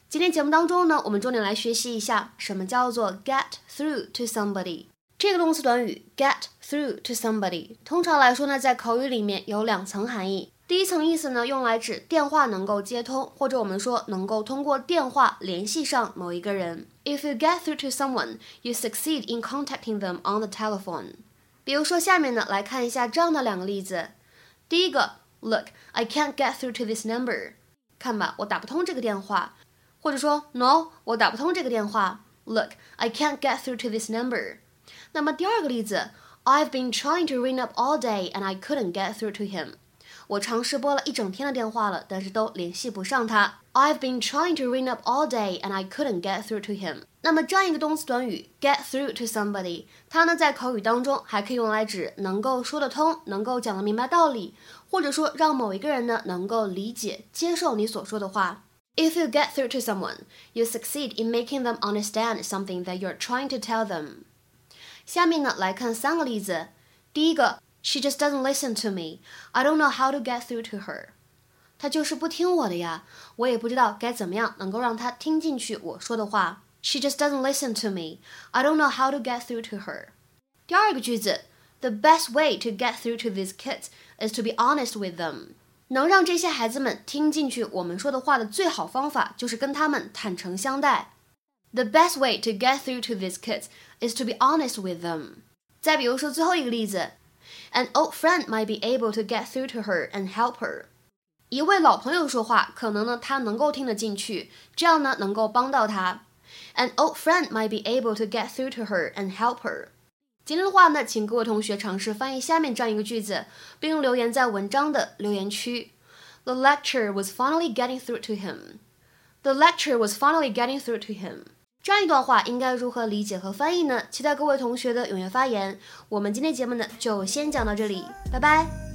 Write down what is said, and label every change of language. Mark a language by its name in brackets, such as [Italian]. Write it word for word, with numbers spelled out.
[Chinese] 今天节目当中呢，我们重点来学习一下什么叫做 get through to somebody。这个动词短语 get through to somebody， 通常来说呢，在口语里面有两层含义。第一层意思呢，用来指电话能够接通，或者我们说能够通过电话联系上某一个人。 [English] If you get through to someone, you succeed in contacting them on the telephone. [Chinese] 比如说下面呢，来看一下这样的两个例子。第一个。 [English] Look, I can't get through to this number. [Chinese] 看吧，我打不通这个电话。或者说 No, 我打不通这个电话。 [English] Look, I can't get through to this number. [Chinese] 那么第二个例子 [English] I've been trying to ring up all day and I couldn't get through to him. [Chinese] 我尝试拨了一整天的电话了，但是都联系不上他。 [English] I've been trying to ring up all day and I couldn't get through to him. [Chinese] 那么这样一个动词短语 get through to somebody， 它呢在口语当中还可以用来指能够说得通，能够讲得明白道理，或者说让某一个人呢能够理解接受你所说的话。 [English] If you get through to someone, you succeed in making them understand something that you're trying to tell them. [Chinese] 下面呢来看三个例子。第一个 [English] She just doesn't listen to me. I don't know how to get through to her. [Chinese] 她就是不听我的呀，我也不知道该怎么样能够让她听进去我说的话。 [English] She just doesn't listen to me. I don't know how to get through to her. [Chinese] 第二个句子 [English] The best way to get through to these kids is to be honest with them. [Chinese] 能让这些孩子们听进去我们说的话的最好方法就是跟他们坦诚相待。 [English] The best way to get through to these kids is to be honest with them. [Chinese] 再比如说最后一个例子 [English] An old friend might be able to get through to her and help her. [Chinese] 一位老朋友说话，可能呢他能够听得进去，这样呢能够帮到他。 [English] An old friend might be able to get through to her and help her. [Chinese] 今天的话呢，请各位同学尝试翻译下面这样一个句子，并留言在文章的留言区。 [English] The lecture was finally getting through to him. The lecture was finally getting through to him. [Chinese] 这样一段话应该如何理解和翻译呢？期待各位同学的踊跃发言。我们今天节目呢，就先讲到这里，拜拜。